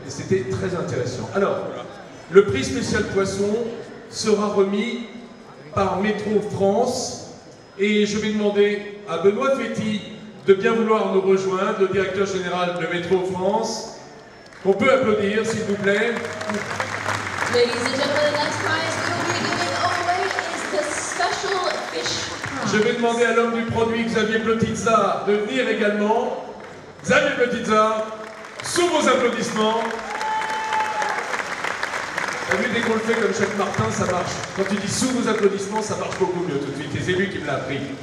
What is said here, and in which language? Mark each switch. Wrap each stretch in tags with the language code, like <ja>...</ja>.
<fr>Et c'était très intéressant. Alors, le prix spécial poisson sera remis par Métro France. Et je vais demander à Benoît Fetti de bien vouloir nous rejoindre, le directeur général de Métro France. On peut applaudir, s'il vous plaît.</fr> <en>Ladies and gentlemen, the next prize we'll be giving away is the special fish prize.</en> <fr>Je vais demander à l'homme du produit, Xavier Plotizza, de venir également. Xavier Plotizza, sous vos applaudissements. T'as vu, dès qu'on le fait comme Jacques Martin, ça marche. Quand tu dis sous vos applaudissements, ça marche beaucoup mieux tout de suite. Et c'est lui qui me l'a appris.</fr>